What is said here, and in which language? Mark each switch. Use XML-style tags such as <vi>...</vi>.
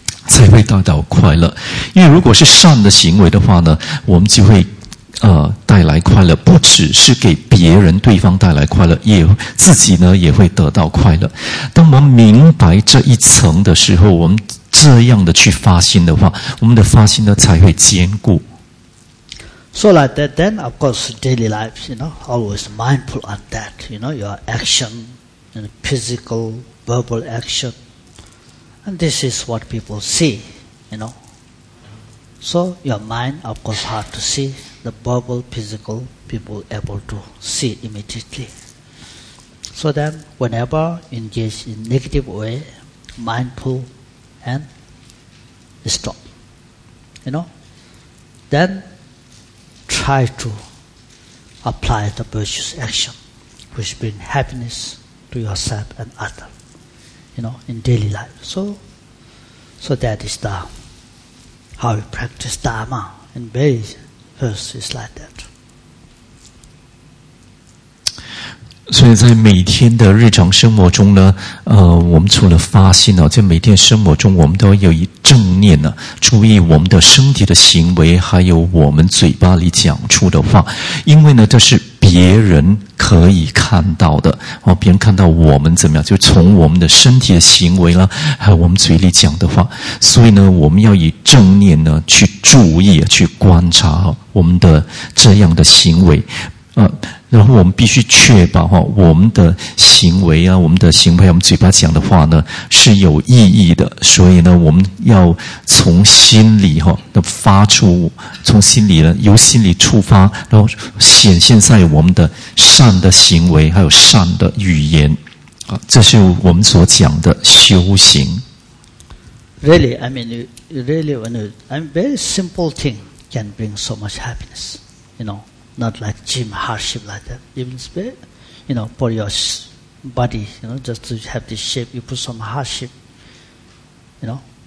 <zh>才会得到快乐，因为如果是善的行为的话呢，我们就会带来快乐，不只是给别人对方带来快乐，也自己呢也会得到快乐。当我们明白这一层的时候，我们这样的去发心的话，我们的发心呢才会坚固。</zh> <en>So like that, then of course daily life, you know, always mindful on that, you know, your action, you know, physical, verbal action. And this is what people see, you know. So your mind, of course, hard to see. The verbal, physical, people able to see immediately. So then, whenever engaged in negative way, mind pull and stop. You know. Then try to apply the virtuous action, which bring happiness to yourself and other. You know, in daily life. So that is the how we practice Dharma in base first is like that.</en> <zh>所以在每天的日常生活中呢，我们除了发心呢，在每天生活中，我们都有一正念呢，注意我们的身体的行为，还有我们嘴巴里讲出的话，因为呢，这是别人可以看到的，别人看到我们怎么样，就从我们的身体的行为啦，还有我们嘴里讲的话，所以呢，我们要以正念呢去注意、去观察我们的这样的行为，然后我们必须确保哈，我们的行为啊，我们的行为，我们嘴巴讲的话呢是有意义的，所以呢，我们要从心里哈发出，从心里呢由心里出发，然后显现在我们的善的行为，还有善的语言啊，这是我们所讲的修行。</zh> <en>Really, I mean, really, when you, I mean, very simple thing can bring so much happiness, you know. Not like gym hardship like that. Even spirit, you know, for your body, you know, just to have this shape, you put some hardship, you know.</en>